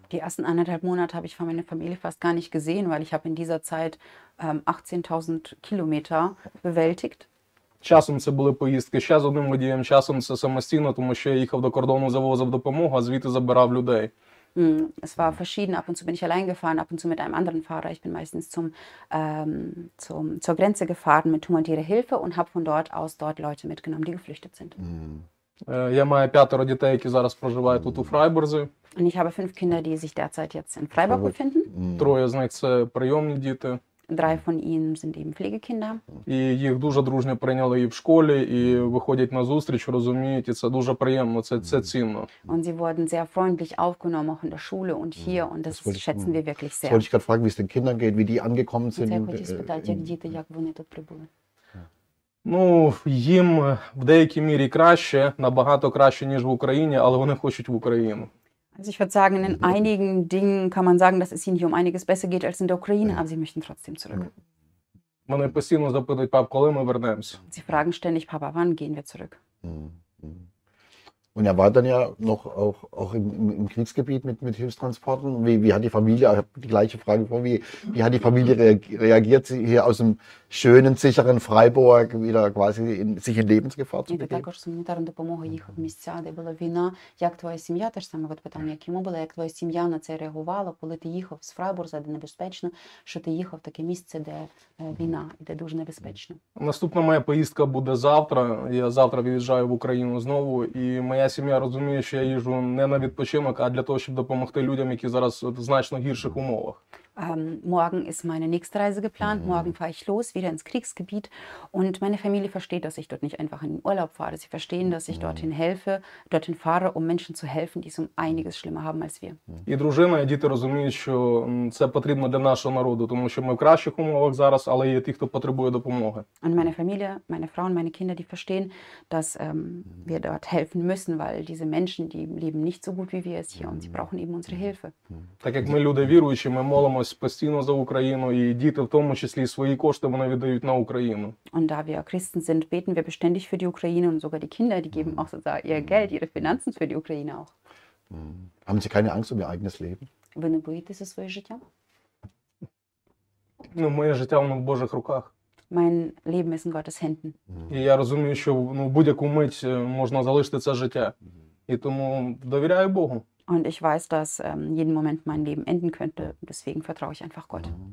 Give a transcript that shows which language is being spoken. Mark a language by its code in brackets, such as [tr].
[de] Die ersten anderthalb Monate habe ich von meiner Familie fast gar nicht gesehen, weil ich habe in dieser Zeit 18.000 Kilometer bewältigt. [uk] Часом це були поїздки ще з одним водієм, часом це самостійно, тому що я їхав до кордону, завозив допомогу, а звідти забирав людей. [de] Es war verschieden. Ab und zu bin ich allein gefahren, ab und zu mit einem anderen Fahrer. Ich bin meistens zur Grenze gefahren mit humanitärer Hilfe und habe von dort aus dort Leute mitgenommen, die geflüchtet sind. [uk] Я маю п'ятеро дітей, які зараз проживають тут у Фрайбурзі. [de] Und ich habe fünf Kinder, die sich derzeit jetzt in Freiburg befinden. [uk] Троє з них – це прийомні діти. [de] Drei von ihnen sind eben Pflegekinder. [uk] І їх дуже дружньо прийняли і в школі, і виходять на зустріч, розуміють, і це дуже приємно, це цінно. [de] Und sie wurden sehr freundlich aufgenommen, auch in der Schule und hier, und das schätzen wir wirklich sehr. Soll ich gerade fragen, wie es den Kindern geht, wie die angekommen sind? Sehr gut, [ru] испытать, [uk] як діти, як вони тут прибули. Ну, їм в деякій мірі краще, набагато краще, ніж в Україні, але вони хочуть в Україну. [de] Also ich würde sagen, in einigen Dingen kann man sagen, dass es ihnen hier um einiges besser geht als in der Ukraine, aber sie möchten trotzdem zurück. [uk] Мене постійно запитують, пап, коли ми вернемось? [de] Sie fragen ständig, Papa, wann gehen wir zurück? Und er war dann ja noch auch im Kriegsgebiet mit Hilfstransporten. Wie hat die Familie, ich habe die gleiche Frage vor, wie hat die Familie reagiert, hier aus dem schönen, sicheren Freiburg wieder quasi sich in Lebensgefahr zu begeben? Ja, [uk] також з гуманітарною допомогою їхав в місця, де була війна. Як твоя сім'я, теж саме от питання, як йому було, як твоя сім'я на це реагувала, коли ти їхав з Фрайбурга, де небезпечно, що ти їхав в таке місце, де війна, де дуже небезпечно? Наступна моя поїздка буде завтра. Я завтра виїжджаю в Україну знову, і моя сім'я розуміє, що я їжу не на відпочинок, а для того, щоб допомогти людям, які зараз в значно гірших умовах. [de] Morgen ist meine nächste Reise geplant. Morgen fahre ich los, wieder ins Kriegsgebiet. Und meine Familie versteht, dass ich dort nicht einfach in den Urlaub fahre. Sie verstehen, dass ich dorthin helfe, dorthin fahre, um Menschen zu helfen, die es um einiges schlimmer haben als wir. [uk] І дружина, і діти розуміють, що це потрібно для нашого народу, тому що ми в кращих умовах зараз, але є ті, хто потребує допомоги. [de] Und meine Familie, meine Frau und meine Kinder, die verstehen, dass wir dort helfen müssen, weil diese Menschen, die leben nicht so gut wie wir es hier und sie brauchen eben unsere Hilfe. [uk] Так як ми люди віруючі, ми молимо постійно за Україну, і діти в тому числі свої кошти вони віддають на Україну. [de] Und da wir Christen sind, beten wir beständig für die Ukraine und sogar die Kinder, die geben auch sozusagen ihr Geld, ihre Finanzen für die Ukraine auch. Haben Sie keine Angst um Ihr eigenes Leben? [uk] Ви не боїтеся своє життя? Ну, моє життя воно в Божих руках. [de] Mein Leben ist in Gottes Händen. [uk] І я розумію, що ну, будь-яку мить можна залишити це життя. І тому довіряю Богу. [de] Und ich weiß, dass jeden Moment mein Leben enden könnte. Deswegen vertraue ich einfach Gott.